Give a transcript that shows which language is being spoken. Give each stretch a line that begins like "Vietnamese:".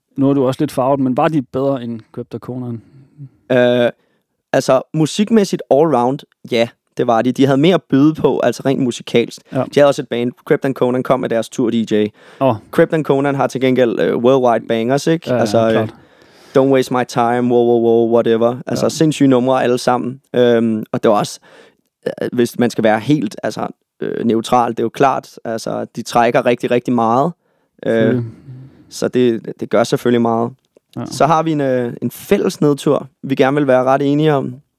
Danish: Nu er du også lidt farvet, men var de bedre end Crypto Conan? Altså, musikmæssigt allround, ja, det var de. De havde mere at byde på, altså rent musikalsk. Ja. De havde også et band, Crypto Conan kom med deres tour DJ. Oh. Crypto Conan har til gengæld
English: worldwide bangers,
Danish: ikke? Ja, altså, klart.
English: Don't waste my time, whoa, whatever.
Danish: Altså, ja. Sindssyge numre alle sammen. Og det var også, hvis man skal være helt altså, neutral, det er jo klart, altså, de trækker rigtig, rigtig meget. Så det gør selvfølgelig meget. Ja. Så har vi en fælles nedtur, vi gerne vil være ret enige om.